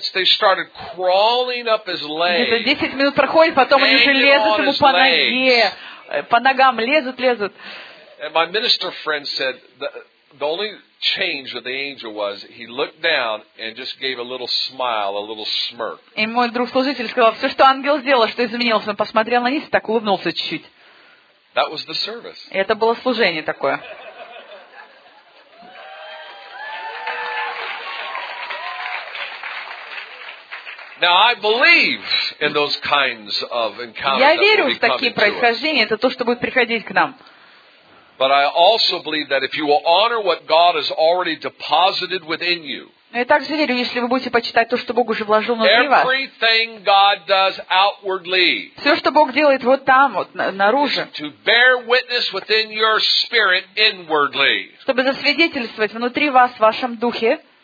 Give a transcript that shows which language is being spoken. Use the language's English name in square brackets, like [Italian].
[Russian] 10 минут проходит, потом они уже лезут ему по ноге, по ногам лезут, лезут. [English] And my minister friend said the only change of the angel was he looked down and just gave a little smile, a little smirk. [Russian] И мой друг-служитель сказал, все, что ангел сделал, что изменился, он посмотрел на них и так улыбнулся чуть-чуть. [English] That was the service. [Russian] И это было служение такое. [English] Now I believe in those kinds of encounters. [Russian] Я верю в такие происхождения, это то, что будет приходить к нам. [English] But I also believe that if you will honor what God has already deposited within you. [Russian] Я также верю, если вы будете почитать то, что Бог уже вложил внутри вас. [English] Everything God does outwardly. [Russian] Все, что Бог делает вот там, вот наружу. [English] To bear witness within your spirit inwardly. [Russian] Чтобы засвидетельствовать внутри вас в вашем духе.